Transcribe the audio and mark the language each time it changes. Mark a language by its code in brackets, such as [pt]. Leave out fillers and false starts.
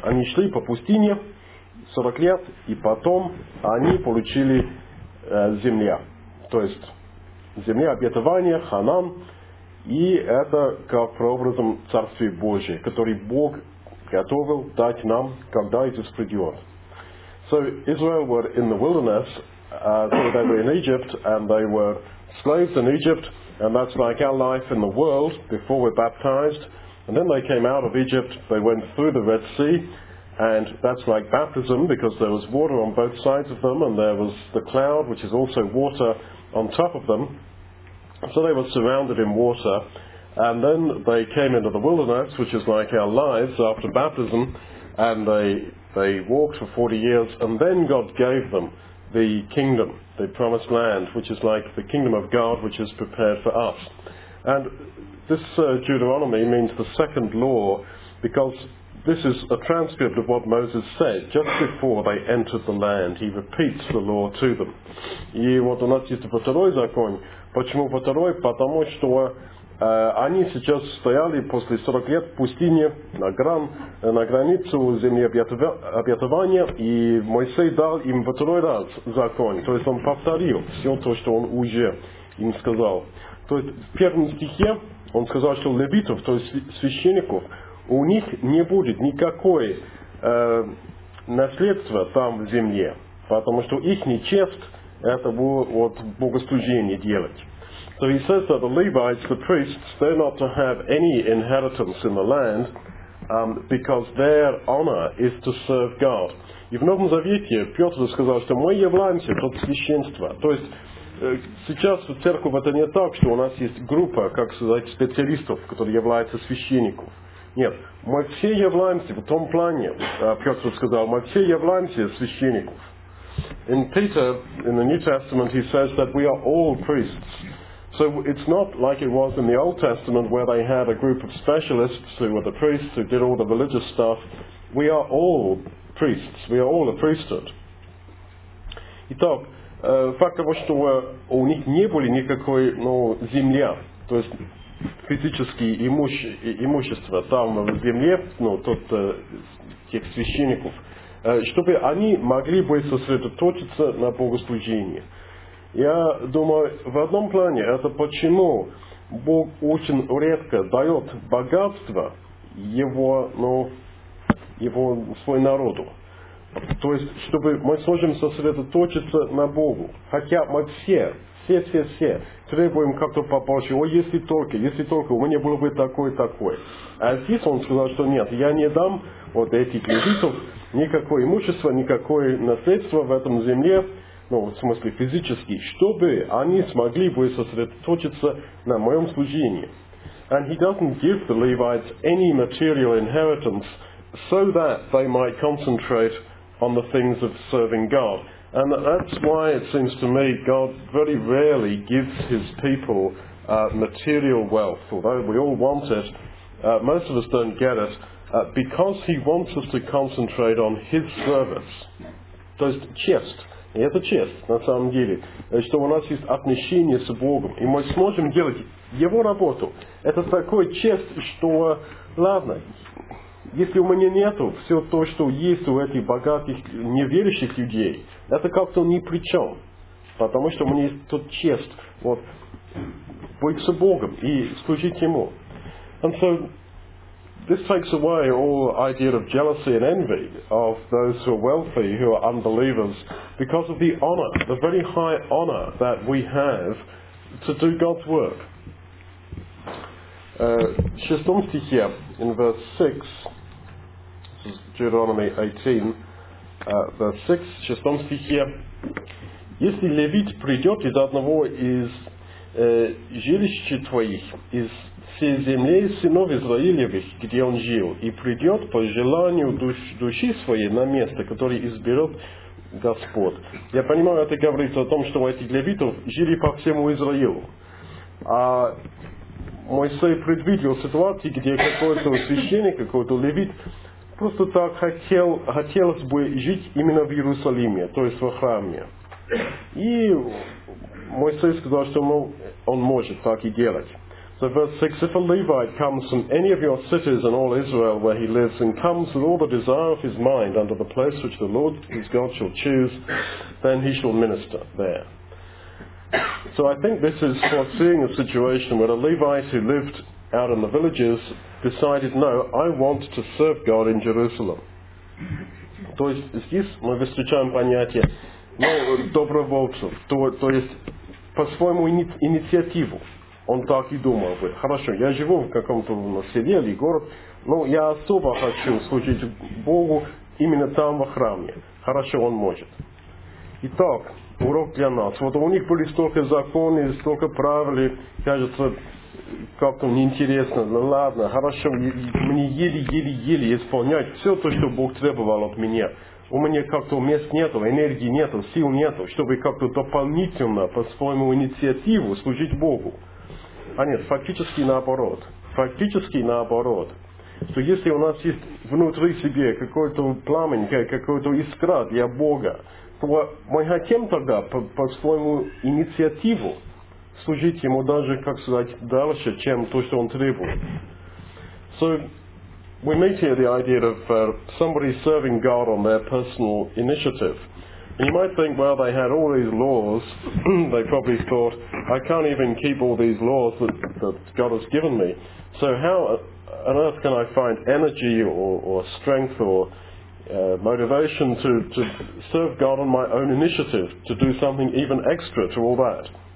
[ru] Они шли по пустыне 40 лет, и потом они получили земля. То есть земля обетования, Ханан, и это как прообразом Царствия Божьего, который Бог готовил дать нам, когда Иисус придет. [en] So Israel were in the wilderness, so they were in Egypt, and they were slaves in Egypt, and that's like our life in the world before we're baptized. And then they came out of Egypt, they went through the Red Sea, and that's like baptism because there was water on both sides of them, and there was the cloud, which is also water, on top of them. So they were surrounded in water, and then they came into the wilderness, which is like our lives after baptism, and they walked for 40 years, and then God gave them the kingdom, the promised land, which is like the kingdom of God, which is prepared for us. And this Deuteronomy means the second law, because this is a transcript of what Moses said just before they entered the land. He repeats the law to them. [ru] И вот у нас есть второй закон. Почему второй? Потому что они сейчас стояли после 40 лет в пустыне на границу земли обетования, и Моисей дал им второй раз закон, то есть он повторил все то, что он уже им сказал. То есть в первом стихе он сказал, что левитов, то есть священников, у них не будет никакой наследства там в земле, потому что их нечесть это вот богослужение делать. [en] So he says that the Levites, the priests, they're not to have any inheritance in the land because their honor is to serve God. [ru] И в Новом Завете Петр сказал, что мы являемся под священство. То есть сейчас в церкви это не так, что у нас есть группа, как сказать, специалистов, которые являются священников. Нет, мы все являемся в том плане, Петр сказал, мы все являемся священников. [en] In Peter, in the New Testament, he says that we are all priests. So it's not like it was in the Old Testament where they had a group of specialists who were the priests who did all the religious stuff. We are all priests. We are all a priesthood. [ru] Итак, факт того, что у них не было никакой, ну, земля, то есть физические имущества там в земле, ну, тот, тех священников, чтобы они могли бы сосредоточиться на богослужении. Я думаю, в одном плане это почему Бог очень редко дает богатство его, ну, его свой народу. То есть, чтобы мы сможем сосредоточиться на Богу. Хотя мы все требуем как-то попроще. Ой, если только, у меня было бы такой. А здесь он сказал, что нет, я не дам вот этих кредитов никакое имущество, никакое наследство в этом земле. Ну, в смысле физически, чтобы они смогли бы сосредоточиться на моем служении. [en] And he doesn't give the Levites any material inheritance so that they might concentrate on the things of serving God. And that's why it seems to me God very rarely gives his people material wealth, although we all want it. Most of us don't get it, because he wants us to concentrate on his service. [ru] То есть честь. И это честь, на самом деле, что у нас есть отношение с Богом, и мы сможем делать Его работу. Это такая честь, что, ладно, если у меня нету все то, что есть у этих богатых, неверующих людей, это как-то ни при чем, потому что у меня есть тот честь, вот, быть с Богом и служить Ему. [en] And so, this takes away all idea of jealousy and envy of those who are wealthy, who are unbelievers, because of the honor, the very high honor that we have to do God's work. [ru] Шестом стихе, [en] in verse 6, this is Deuteronomy 18, verse 6, [ru] шестом стихе, Если левит придет из одного из жилищ твоих, из всей земли сынов Израилевых, где он жил, и придет по желанию души своей на место, которое изберет Господь. Я понимаю, это говорится о том, что эти левитов жили по всему Израилю. А Моисей предвидел ситуацию, где какой-то священник, какой-то левит просто так хотелось бы жить именно в Иерусалиме, то есть во храме. И Моисей сказал, что он может так и делать. [en] So verse 6, if a Levite comes from any of your cities in all Israel where he lives and comes with all the desire of his mind unto the place which the Lord his God shall choose, then he shall minister there. So I think this is foreseeing a situation where a Levite who lived out in the villages decided, no, I want to serve God in Jerusalem. [ru] То есть здесь мы встречаем понятие добровольцев, то есть по своему инициативу. Он так и думал бы, хорошо, я живу в каком-то селе или город, но я особо хочу служить Богу именно там, во храме. Хорошо, он может. Итак, урок для нас. Вот у них были столько законов, столько правил, кажется, как-то неинтересно. Ну ладно, хорошо, мне еле-еле-еле исполнять все то, что Бог требовал от меня. У меня как-то мест нету, энергии нету, сил нету, чтобы как-то дополнительно по своему инициативу служить Богу. А нет, фактически наоборот. Фактически наоборот. Что если у нас есть внутри себе какой-то пламень, какой-то искра для Бога, то мы хотим тогда по своему инициативу служить Ему даже, как сказать, дальше, чем то, что Он требует. [en] So, we meet here the idea of somebody serving God on their personal initiative. And you might think, well, they had all these laws. They probably thought, I can't even keep all these laws that God has given me. So how on earth can I find energy or strength or motivation to serve God on my own initiative, to do something even extra to all that?